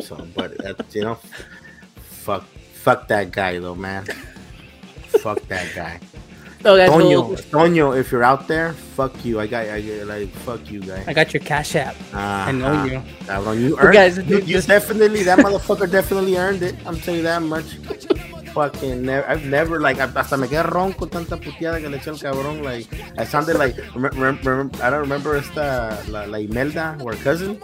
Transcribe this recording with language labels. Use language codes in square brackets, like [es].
[en] So, but that's, you know, fuck that guy though, man. Fuck that guy. Oh, that's Donio, cool. Donio, if you're out there, fuck you. I got you, guy. I got your Cash App. I know you. Cabron, you earned it. You definitely, that motherfucker definitely earned it. I'm telling you that much. [es] Hasta me quedé ron con tanta puteada que le eché el cabrón. [en] Like, I sounded like, I don't remember esta, la Imelda, or cousin.